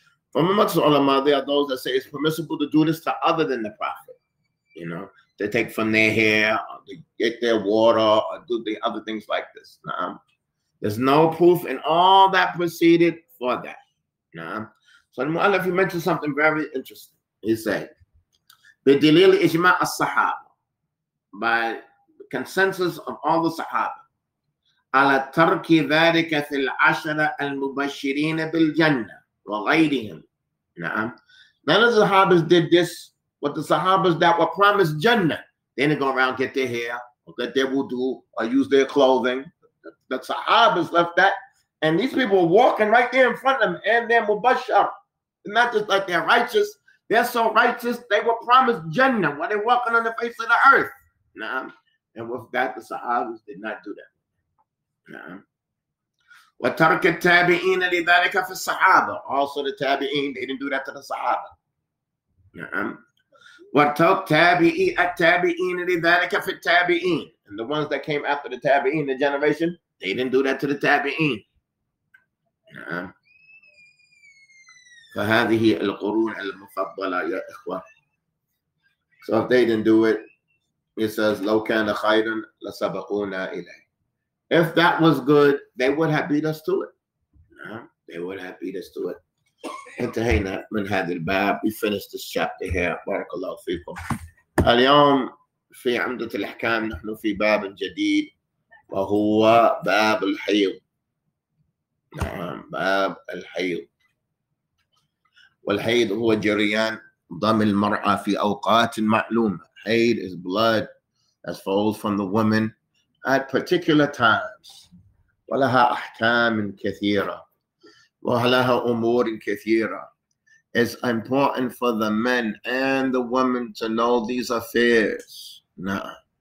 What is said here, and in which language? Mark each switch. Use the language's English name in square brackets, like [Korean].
[English] From amongst the ulama, there are those that say it's permissible to do this to other than the Prophet. You know, they take from their hair, or they get their water, or do the other things like this. Na'am. There's no proof in all that proceeded for that. Na'am. So the mu'allif, he mentioned something very interesting. He said, [Arabic] بدليل إجماع الصحابة [English] by consensus of all the Sahaba, [Arabic] على ترك ذلك في العشرة المبشرين بالجنة وغيرهم. نعم. [English] None of the Sahabas did this, but the Sahabas that were promised Jannah, they didn't go around get their hair, or get their wudu, or use their clothing. The Sahabas left that, and these people were walking right there in front of them, and they're mubashar. Not just like they're righteous, they're so righteous, they were promised Jannah while they're walking on the face of the earth. Nah. And with that, the Sahabas did not do that. [Arabic] وترك التابعين لذلك في الصحابة. [English] Also the تابعين, they didn't do that to the صحابة. [Arabic] وترك التابعين لذلك في التابعين. [English] And the ones that came after the تابعين, the generation, they didn't do that to the تابعين. [Arabic] فهذه القرون المفضلة يا إخوة. [English] So if they didn't do it, he says, [Arabic] لو كان خيرا لسبقونا إليه. [English] If that was good, they would have beat us to it. they would have beat us to it. [Arabic] انتهينا من هذا الباب. [English] We finished this chapter here. [Arabic] بارك الله فيكم. اليوم في عمدة الأحكام نحن في باب جديد وهو باب الحيض. نعم باب الحيض. والحيض هو جريان دم المرأة في أوقات معلومة. [English] حيض is blood that falls from the woman at particular times. [Arabic] ولها أحكام كثيرة. وهلها أمور كثيرة. [English] It's important for the men and the women to know these affairs. Nah.